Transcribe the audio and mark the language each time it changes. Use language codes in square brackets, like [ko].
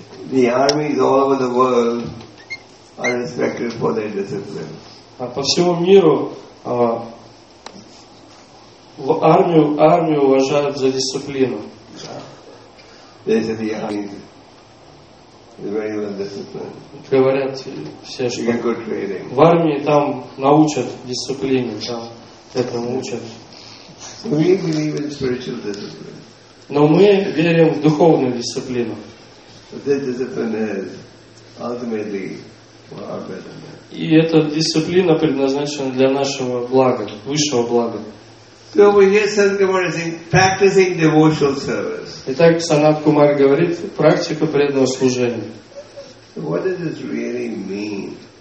[en] The armies all over the world are respected for their discipline. [ru] А по всему миру армию уважают за дисциплину. [en] They say the army is very well disciplined. [ru] Говорят все, что [en] you get good training. [ru] В армии там научат дисциплине, там этому учат. [en] So we believe in spiritual discipline. [ru] Но мы верим в духовную дисциплину. [en] But this discipline is ultimately for our betterment. [ru] И эта дисциплина предназначена для нашего блага, высшего блага. [en] So we hear Sanat Kumar saying, practicing devotional service. [ru] Итак, Санат Кумар говорит, практика преданного служения. [en] What does this really mean?